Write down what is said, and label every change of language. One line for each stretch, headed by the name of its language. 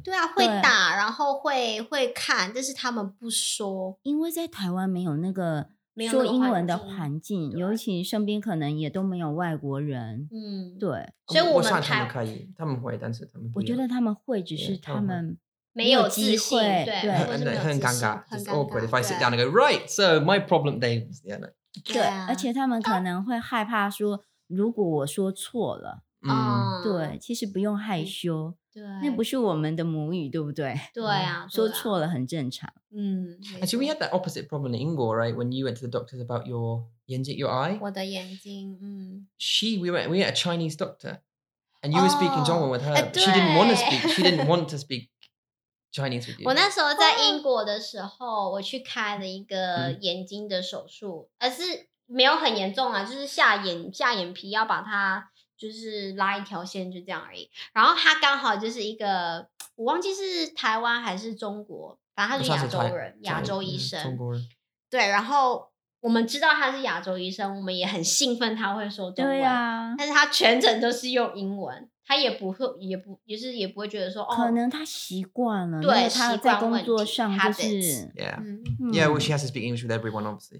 Chinese: 对啊会打然后 会看但是他们不说因为在台湾没有那个说英文的环境尤其身边可能也都没有外国人嗯，对所以我想他们可以他们会但是他们我觉得他们会只是他们没有机会，对，很尴尬
English: ，just awkward. If I sit down and go, right, so my problem, they, yeah, no.
Chinese: 对、啊，而且他们可能会害怕说，如果我说错了，嗯，对，其实不用害羞，对，那不是我们的母语，对不对？对啊，说错了很正常。嗯、
English: 啊，actually, we had that opposite problem in Ingo, right? When you went to the doctors about your 眼睛 your eye,
Chinese: 我的眼睛，嗯
English: ，she we went a Chinese doctor, and you were speaking、 oh, 中文 with her. She didn't want to speak. She didn't want to speak. Chinese with you.
Chinese: 我那时候在英国的时候、oh. 我去开了一个眼睛的手术、mm. 而是没有很严重啊就是下眼皮要把它就是拉一条线就这样而已然后他刚好就是一个我忘记是台湾还是中国反正他是亚洲人亚洲医生、中国人对然后我们知道他是亚洲医生，我们也很兴奋他会说中文，对啊，但是他全程都是用英文，他也不会，也不，也是也不会觉得说，哦，可能他习惯了，对，他在工作上就是
English: yeah well she has to speak English with everyone obviously,